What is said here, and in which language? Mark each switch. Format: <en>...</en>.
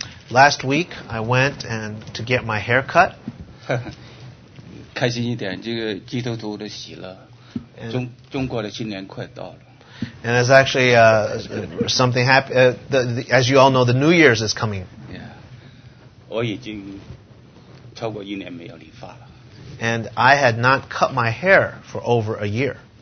<en>Last week, I went and to get my hair cut.</en> <zh>开心一点，这个基督徒的喜乐，中国的新年快到了。</zh> <en>And it's actually something happy. As you all know, the New Year's is coming. Yeah,</en> <zh>我已经超过一年没有理发了。</zh> <en>And I had not cut my hair for over a year.</en>